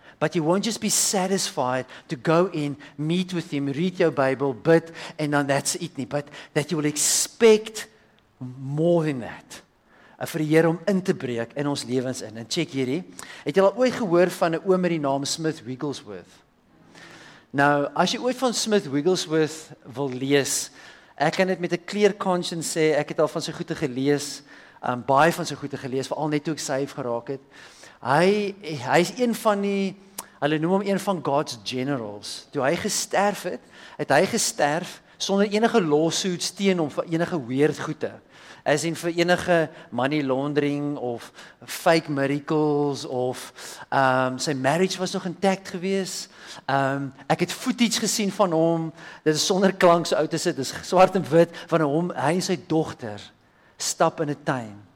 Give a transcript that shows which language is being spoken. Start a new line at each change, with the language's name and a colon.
English: But you won't just be satisfied to go in, meet with him, read your Bible, bid, and then that's it. But that you will expect more than that.
Afrikaans: Vir die Here om in te breek in ons lewens in. En check hierdie. Het jy al ooit gehoor van 'n oom met die naam Smith Wigglesworth? Nou, as jy ooit van Smith Wigglesworth wil lees, ek kan dit met 'n clear conscience sê, ek het al van sy goeie gelees, baie van sy goeie gelees, veral net toe ek save geraak het. Hy is een van die, hulle noem hom een van God's generals. Toe hy gesterf het, het hy gesterf sonder enige lawsuits teen hom vir enige weird goede. As in vir enige money laundering of fake miracles of sy marriage was nog intact gewees. Ek het footage gesien van hom, dit is sonder klank so oud as dit is swart en wit, van hom, hy en sy dogter stap in 'n tuin.